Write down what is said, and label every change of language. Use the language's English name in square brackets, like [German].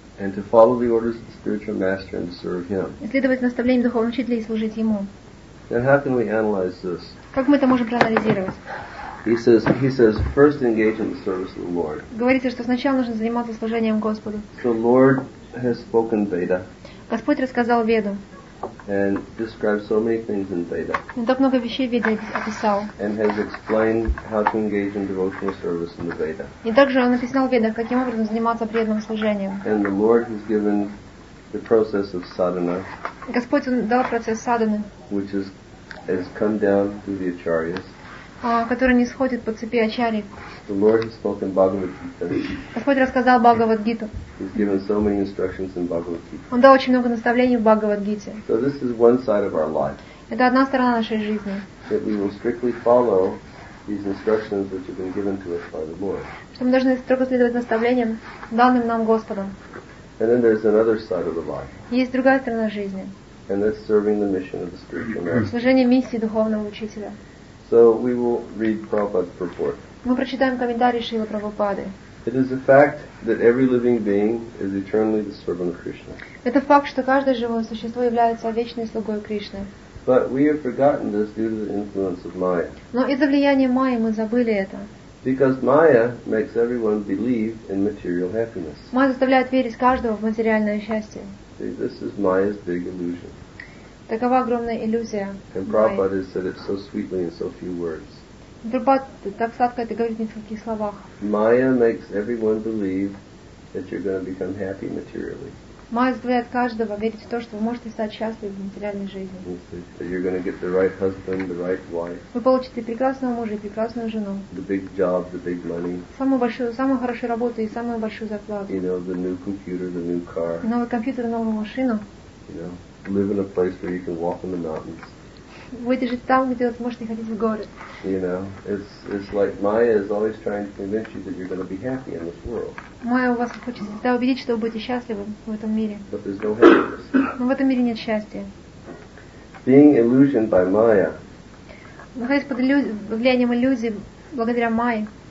[English] And to follow the orders of the spiritual master and to serve him. [Russian] Следовать наставлениям духовного учителя и служить ему. [English] Now how can we analyze this? [Russian] Как мы это можем проанализировать? [English] He says, first engage in the service of the Lord. [Russian] Говорится, что сначала нужно заниматься служением Господу. [English] The Lord has spoken Veda. [Russian] Господь рассказал Веду. [English] And described so many things in Veda. [Russian] Он так много вещей в Веде описал. [English] And has explained how to engage in devotional service in the Veda. [Russian] И также он написал в Ведах, каким образом заниматься преданным служением. [English] And the Lord has given the process of sadhana. [Russian] Господь дал процесс садханы. [English] Which has come down through the acharyas. [Russian] Который не сходит по цепи ачари. [English] The Lord has spoken Bhagavad Gita. [Russian] Господь рассказал Бхагавад Гиту. [English] He's given so many instructions in Bhagavad Gita. [Russian] Он дал очень много наставлений в Бхагавад Гите. [English] So this is one side of our life. [Russian] Это одна сторона нашей жизни. [English] That we will strictly follow these instructions which have been given to us by the Lord. [Russian] Что мы должны строго следовать наставлениям, данным нам Господом. [English] And then there's another side of the life. [Russian] Есть другая сторона жизни. [English] And that's serving the mission of the spiritual master. [Russian] Служение миссии духовного учителя. [English] So we will read Prabhupada's purport. [Russian] Мы прочитаем комментарий Шрилы Прабхупады. [English] It is a fact that every living being is eternally the servant of Krishna. [Russian] Это факт, что каждое живое существо является вечной слугой Кришны. [English] But we have forgotten this due to the influence of Maya. [Russian] Но из-за влияния Майи мы забыли это. [English] Because Maya makes everyone believe in material happiness. [Russian] Майя заставляет верить каждого в материальное счастье. [English] See, this is Maya's big illusion. [Russian] Такова огромная иллюзия. [English] And Prabhupada has said it so sweetly in so few words. [Russian] Прабхупада так сладко это говорит в нескольких словах. [English] Maya makes everyone believe that you're going to become happy materially. [Russian] Майя заставляет каждого верить в то, что вы можете стать счастливы в материальной жизни. [English] That you're going to get the right husband, the right wife. [Russian] Вы получите прекрасного мужа и прекрасную жену. [English] The big job, the big money. [Russian] Самую хорошую работу и самую большую зарплату. [English] You know, the new computer, the new car. [Russian] Новый компьютер, новую машину. [English] You know, live in a place where you can walk in the mountains. [Russian] Будете жить там, где вы сможете ходить в горы. [English] You know, it's like Maya is always trying to convince you that you're going to be happy in this world. [Russian] Майя у вас хочет всегда убедить, что вы будете счастливы в этом мире. [English] But there's no happiness. [Russian] Но в этом мире нет счастья. [English] Being illusioned by Maya. [Russian] Находясь под влиянием иллюзии благодаря Майе.